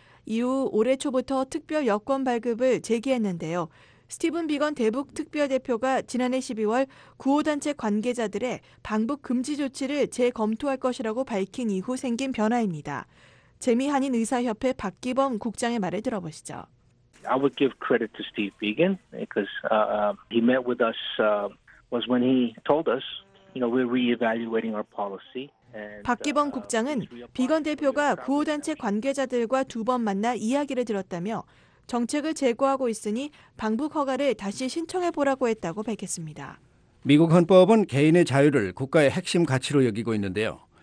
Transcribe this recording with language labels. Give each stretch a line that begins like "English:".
Korean: 이후 올해 초부터 특별 여권 발급을 제기했는데요. 스티븐 비건 대북 특별대표가 지난해 12월 구호단체 관계자들의 방북 금지 조치를 재검토할 것이라고 밝힌 이후 생긴 변화입니다. 재미 한인 의사협회 박기범 국장의 말을 들어보시죠.
English: I would give credit to Steve Biegun because he met with us was when he told us, you know, we're reevaluating our policy.
Korean: 박기범 국장은 비건 대표가 구호단체 관계자들과 두 번 만나 이야기를 들었다며 정책을 재고하고 있으니 방북 허가를 다시 신청해 보라고 했다고 밝혔습니다. 미국 헌법은 개인의 자유를 국가의 핵심 가치로 여기고 있는데요.